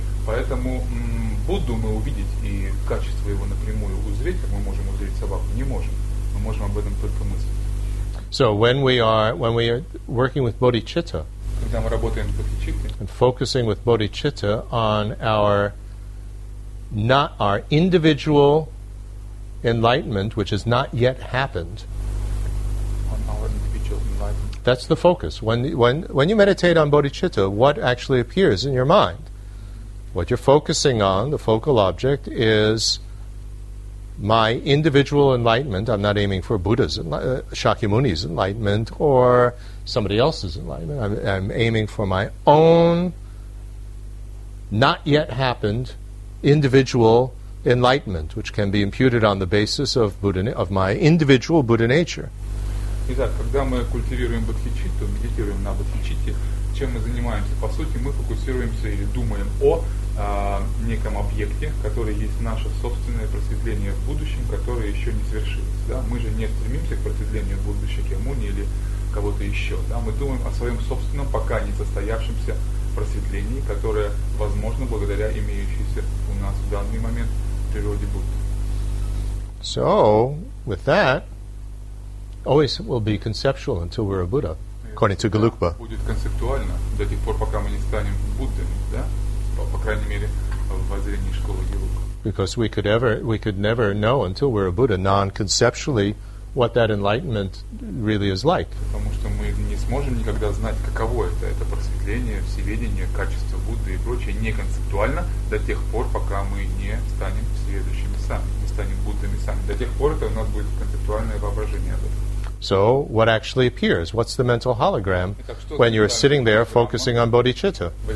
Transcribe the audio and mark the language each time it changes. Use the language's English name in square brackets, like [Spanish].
[Russian] Поэтому Будду мы увидеть и качество его напрямую узреть, как мы можем узреть собаку, не можем. Мы можем об этом только мыслить. [English] So when we are working with bodhicitta, [Russian] когда мы работаем с бодхичиттой, [English] and focusing with bodhicitta on our not our individual enlightenment, which has not yet happened. On our individual enlightenment. That's the focus. When you meditate on bodhicitta, what actually appears in your mind? What you're focusing on, the focal object, is my individual enlightenment. I'm not aiming for Buddha's, Shakyamuni's enlightenment or somebody else's enlightenment. I'm aiming for my own, not yet happened, individual enlightenment, which can be imputed on the basis of Buddha, of my individual Buddha nature. [Russian] Итак, когда мы культивируем бодхичитту, медитируем на бодхичитте, чем мы занимаемся? По сути, мы фокусируемся или думаем о неком объекте, который есть наше собственное просветление в будущем, которое еще не свершилось. Да? Мы же не стремимся к просветлению будущего Шакьямуни или кого-то еще. Да? Мы думаем о своем собственном, пока не состоявшемся просветлении, которое возможно благодаря имеющейся у нас в данный момент природе Будды. [English] So, with that, always will be conceptual until we're a Buddha, according to Gelugpa. [Russian] Будет концептуально до тех пор, пока мы не станем Буддами, да? По крайней мере, в воззрении школы гелуг. [English] Because we could never know until we're a Buddha non-conceptually what that enlightenment really is like. [Russian] Потому что мы не сможем никогда знать, каково это просветление, всеведение, качество Будды и прочее, не концептуально, до тех пор, пока мы не станем всеведущими сами, не станем Буддами сами. До тех пор это у нас будет концептуальное воображение об этом. [English] So what actually appears? What's the mental hologram when you're sitting there focusing on bodhicitta?